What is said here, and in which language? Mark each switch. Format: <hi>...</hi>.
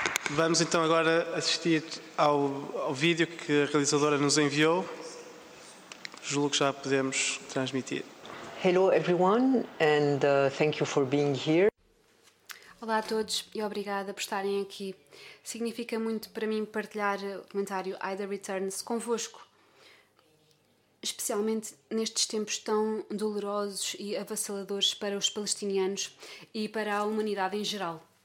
<pt>Vamos então agora assistir ao vídeo que a realizadora nos enviou. Julgo que já podemos transmitir.</pt> <en>Hello everyone and thank you for being here.</en> <pt>Olá a todos e obrigada por estarem aqui. Significa muito para mim partilhar o documentário Ida Returns convosco, especialmente nestes tempos tão dolorosos e avassaladores para os palestinianos e para a humanidade em geral.</pt>